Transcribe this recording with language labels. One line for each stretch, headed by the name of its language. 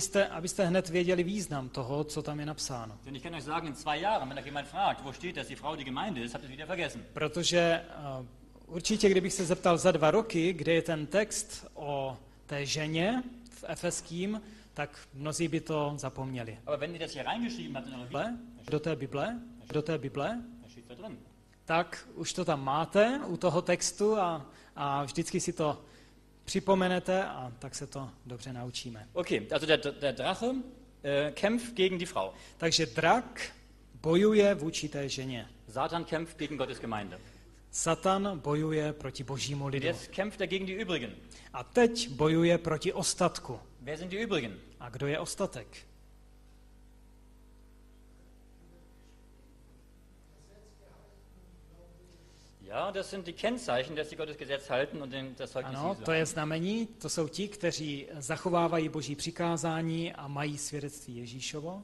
Czech: Abyste hned věděli význam toho, co tam je napsáno.
German: Denn ich kann euch sagen, in zwei Jahren, wenn euch jemand fragt, wo steht, dass die Frau die Gemeinde ist, habt ihr wieder vergessen.
Czech: Protože určitě, kdybych se zeptal za dva roky, kde je ten text o té ženě v Efeským, tak mnozí by to zapomněli.
German: Aber wenn ihr das hier reingeschrieben habt,
Czech: do té Bible, tak už to tam máte u toho textu a vždycky si to připomenete a tak se to dobře naučíme.
German: Okay, also der Drache kämpft gegen die Frau.
Czech: Takže drak bojuje vůči té ženě.
German: Satan kämpft gegen Gottes Gemeinde.
Czech: Satan bojuje proti Božímu lidu.
German: Jetzt kämpft er gegen die übrigen.
Czech: A teď bojuje proti ostatku.
German: Wer sind die übrigen?
Czech: A kdo je ostatek?
German: Ja, das sind die Kennzeichen, dass sie Gottes Gesetz halten und den das Zeugnis.
Czech: Ano, to je znamení, to jsou ti, kteří zachovávají Boží přikázání a mají svědectví Ježíšovo.